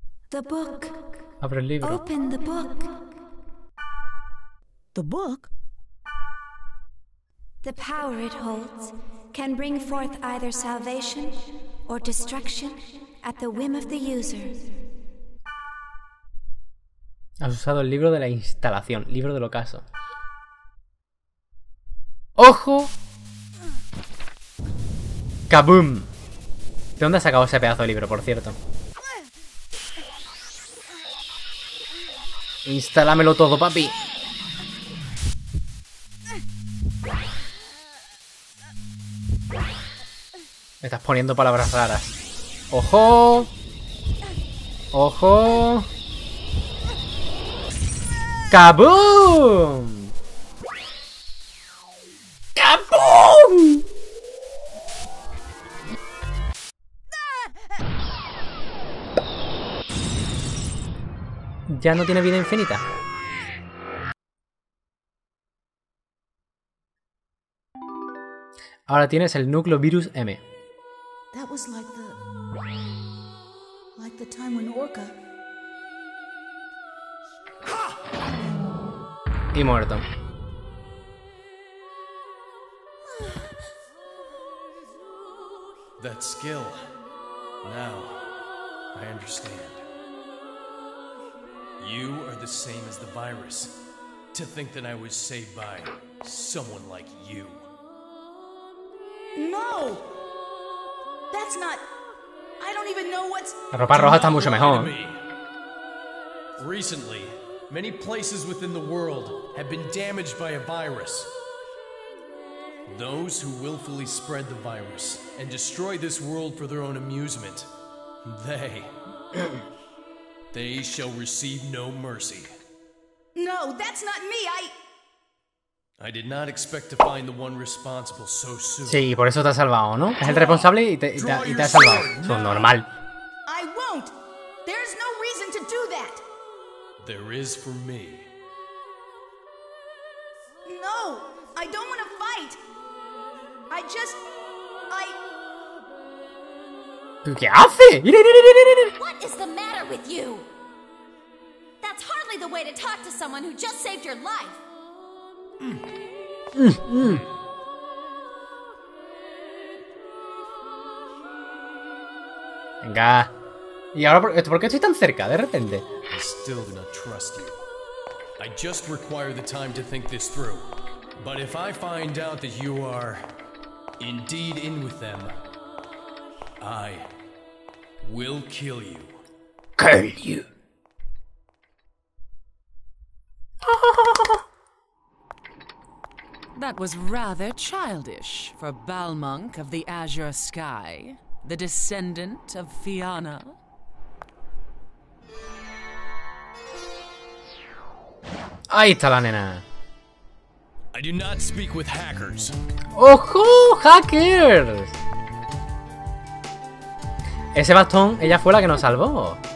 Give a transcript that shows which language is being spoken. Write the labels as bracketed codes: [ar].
[en] The book. [es] Abre el libro. [en] Open the book. The book? The power it holds can bring forth either salvation or destruction at the whim of the user. [es] Has usado el libro de la instalación, libro del ocaso. ¡Ojo! ¡Kaboom! ¿De dónde has sacado ese pedazo de libro, por cierto? ¡Instálamelo todo, papi! Me estás poniendo palabras raras. ¡Ojo! ¡Ojo! ¡Kaboom! ¡Kaboom! Ya no tiene vida infinita. Ahora tienes el núcleo virus M. [en] That was like the time when Orca... [es] Y muerto. [en] That skill. Now I understand. You are the same as the virus. To think that I was saved by someone like you. No. That's not... I don't even know what's... [es] La ropa roja está mucho mejor. [en] Recently, many places within the world have been damaged by a virus. Those who willfully spread the virus and destroy this world for their own amusement, they... they shall receive no mercy. No, that's not me, I did not expect to find the one responsible so soon. [es] Sí, por eso te ha salvado, ¿no? Es el responsable y te ha salvado. Eso es normal. [en] I won't. There's no reason to do that. There is for me. No, I don't want to fight. I just... I... [es] ¿Tú qué haces? [en] What is the matter with you? That's hardly the way to talk to someone who just saved your life. [es] Venga. ¿Y ahora por qué estoy tan cerca de repente? [en] I still do not trust you. I just require the time to think this through. But if I find out that you are indeed in with them, I will kill you. Kill you. That was rather childish for Balmunk of the Azure Sky, the descendant of Fianna. [es] Ahí está la nena. [en] I do not speak with hackers. [es] ¡Ojo, hackers! Ese bastón, ella fue la que nos salvó.